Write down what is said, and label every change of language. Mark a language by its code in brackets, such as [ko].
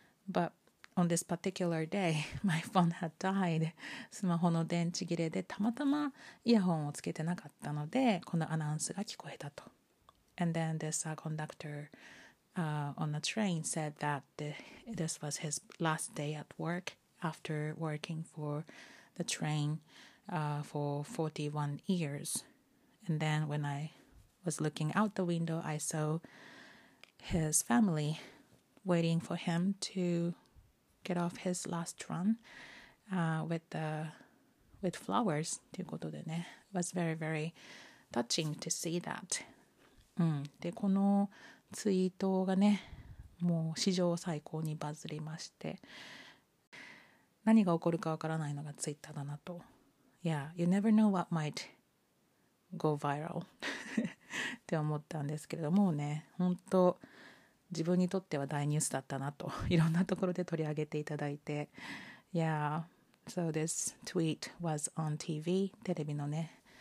[en] But on this particular day, my phone had died. [ja] スマホの電池切れでたまたまイヤホンをつけてなかったので、このアナウンスが聞こえたと。 [en] And then this conductoron the train said that this was his last day at work after working for the train for 41 years. And then when I was looking out the window, I saw his family waiting for him to get off his last run with flowers. [ja] ということでね、 [en] it was very, very touching to see that. [ja] で、このツイートがね、もう史上最高にバズりまして、何が起こるかわからないのがツイッターだなと。 [en] Yeah, you never know what might go viral [ja] って思ったんですけれども、ね、本当自分にとっては大ニュースだったなと、いろんなところで取り上げていただいて、 [en] Yeah, so this tweet was on TV, [ja] テレビのね、